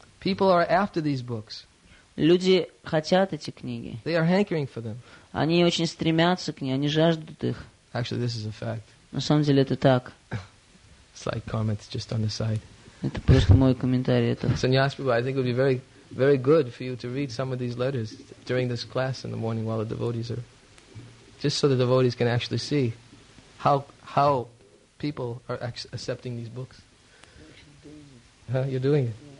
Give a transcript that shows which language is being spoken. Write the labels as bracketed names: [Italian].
[English] People are after these books. [Russian] Люди хотят эти книги. [English] They are hankering for them. [Russian] Они очень стремятся к ним, они жаждут их. [English] Actually, this is a fact. [Russian] На самом деле это так. [English] Slight comment just on the side. [Russian] Это просто мой комментарий. Это. [English] Sannyas Prabhu, I think it would be very, very good for you to read some of these letters during this class in the morning while the devotees are, just so the devotees can actually see how people are accepting these books. Huh? You're doing it.